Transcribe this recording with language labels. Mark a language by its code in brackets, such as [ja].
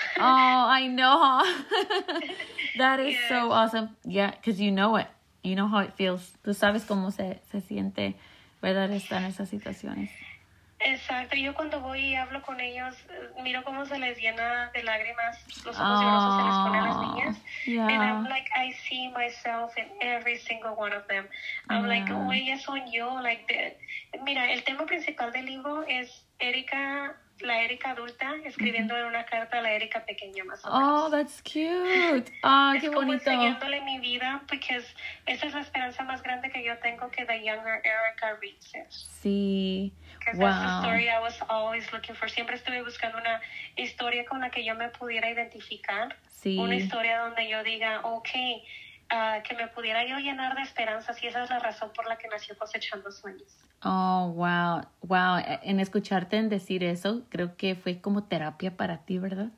[en] Oh, I know. That is so awesome. Yeah, because you know it. You know how it feels. [es] Tú sabes cómo se siente, ¿verdad? Están esas situaciones. Exacto. Yo cuando voy y hablo con ellos, miro cómo se les llena de lágrimas los ojos llorosos se les ponen a las niñas. [en] Yeah. And I'm like, I see myself in every single one of them. I'm like, oh, [es] ellas son yo. Like, mira, el tema principal del libro es Erika, la Erika adulta, escribiendo en una carta a la Erika pequeña, más o menos. [en] Oh, that's cute. Ah, oh, [es] qué bonito. Es como enseñándole mi vida, porque esa es la esperanza más grande que yo tengo, que [en] the younger Erika reads it. [es] Sí. [en] Because that's the story I was always looking for. [es] Siempre estuve buscando una historia con la que yo me pudiera identificar. Sí. Una historia donde yo diga, okay, que me pudiera yo llenar de esperanzas, y esa es la razón por la que nació Cosechando Sueños. [en] Oh, wow. [es] En escucharte en decir eso, creo que fue como terapia para ti, ¿verdad?